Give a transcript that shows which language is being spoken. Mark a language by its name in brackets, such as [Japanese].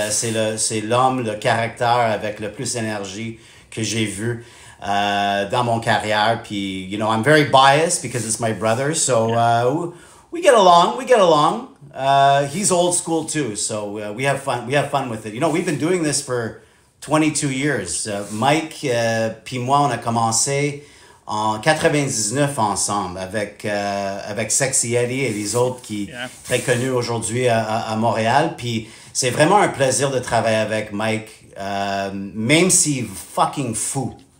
[French] C'est l'homme, le caractère avec le plus d'énergie que j'ai vu dans mon carrière. [English] Puis, you know, I'm very biased because it's my brother. So, we get along. He's old school too, so we have fun with it. You know, we've been doing this for 22 years. [French] Mike puis moi, on a commencé en 99 ensemble avec Sexy Eddie et les autres qui très connus aujourd'hui à Montréal. Puis c'est vraiment un plaisir de travailler avec Mike, même s'il est fucking fou.